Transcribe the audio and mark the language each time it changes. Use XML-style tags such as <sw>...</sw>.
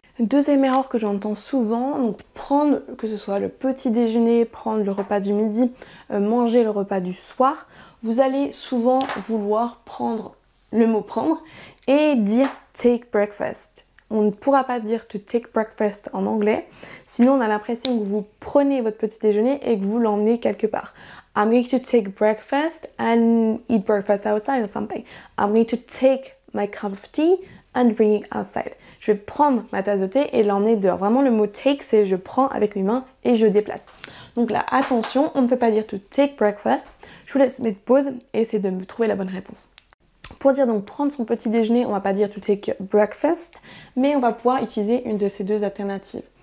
<fr>Deuxième erreur que j'entends souvent, donc prendre, que ce soit le petit déjeuner, prendre le repas du midi, manger le repas du soir, vous allez souvent vouloir prendre le mot prendre et dire</fr> <en>take breakfast.</en> <fr>On ne pourra pas dire</fr> <en>to take breakfast</en> <fr>en anglais, sinon on a l'impression que vous prenez votre petit déjeuner et que vous l'emmenez quelque part.</fr> <en>I'm going to take breakfast and eat breakfast outside or something. I'm going to take my cup of tea and bring it outside.</en> <fr>Je vais prendre ma tasse de thé et l'emmener dehors. Vraiment le mot take, c'est je prends avec mes mains et je déplace. Donc là, attention, on ne peut pas dire</fr> <en>to take breakfast.</en> <fr>Je vous laisse mettre pause et essayer de me trouver la bonne réponse. Pour dire donc prendre son petit déjeuner, on va pas dire</fr> <en>to take breakfast,</en> <fr>mais on va pouvoir utiliser une de ces 2 alternatives.</fr>